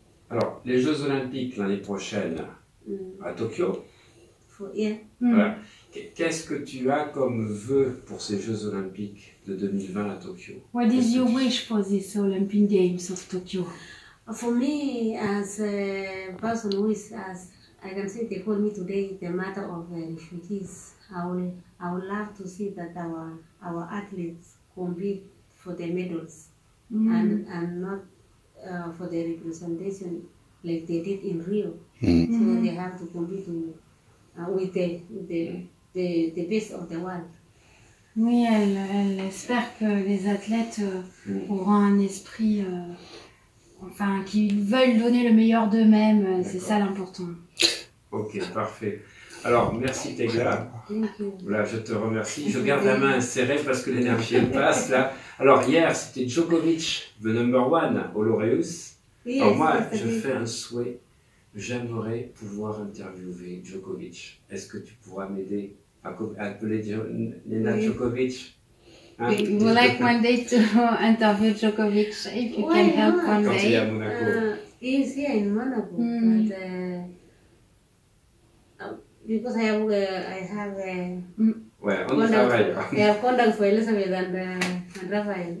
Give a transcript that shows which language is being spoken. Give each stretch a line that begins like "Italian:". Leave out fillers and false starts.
French: Alors, les Jeux Olympiques l'année prochaine à Tokyo. Voilà. Qu'est-ce que tu as comme vœu pour ces Jeux Olympiques de 2020 à Tokyo?
English: What is your wish for these Olympic Games of Tokyo? For me, as a person who is, as I can say, they call me today, the matter of refugees, I would love to see that our athletes compete for the medals and not for the representation like they did in Rio. Mm-hmm. So they have to compete with the best of the world.
French: Oui, elle espère que les athlètes auront un esprit, enfin, qu'ils veulent donner le meilleur d'eux-mêmes. D'accord. C'est ça l'important. Ok, parfait. Alors, merci Tegla. Voilà, je te remercie. Je garde la main serrée parce que l'énergie elle passe là. Alors hier, c'était Djokovic,
English: the number one,
French: Olaureus. Alors moi, je fais un souhait. J'aimerais pouvoir interviewer Djokovic. Est-ce que tu pourras m'aider à appeler Nena Djokovic? Hein?
English: We would like one day to interview Djokovic if you can help one
French: quand
English: day.
French: Quand il est à Monaco.
English: He is here in Monaco. Mm. But, because I have contact for Elizabeth and Raphael.